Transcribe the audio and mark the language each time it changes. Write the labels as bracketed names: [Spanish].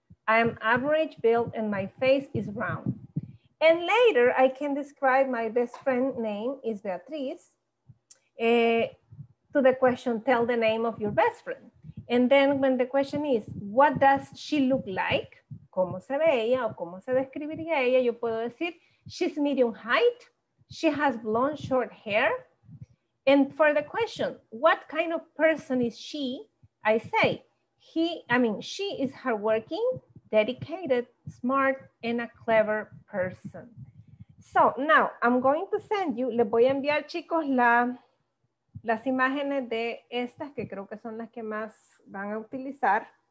[English] I am average build and my face is round. And later I can describe my best friend name is Beatriz to the question, tell the name of your best friend. And then when the question is, what does she look like? [Spanish] ¿Cómo se ve ella o cómo se describiría ella? Yo puedo decir, [English] she's medium height. She has blonde short hair. And for the question, what kind of person is she? I say, she is hardworking, dedicated, smart, and a clever person. So now I'm going to send you, [Spanish] les voy a enviar, chicos, las imágenes de estas que creo que son las que más van a utilizar.